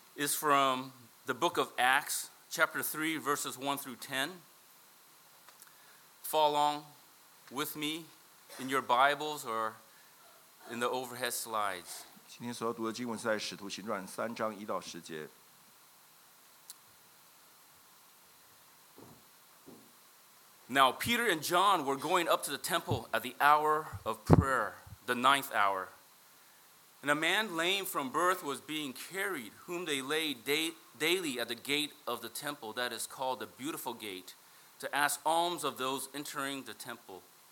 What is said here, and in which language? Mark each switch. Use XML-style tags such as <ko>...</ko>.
<en>is from the book of Acts, chapter 3, verses 1 through 10. Follow along with me in your Bibles or in the overhead slides.</en> <zh>今天所要读的经文是在《使徒行传》三章一到十节。</zh> <en>Now Peter and John were going up to the temple at the hour of prayer, the ninth hour. And a man lame from birth was being carried, whom they laid daily at the gate of the temple, that is called the Beautiful Gate, to ask alms of those entering the temple.</en>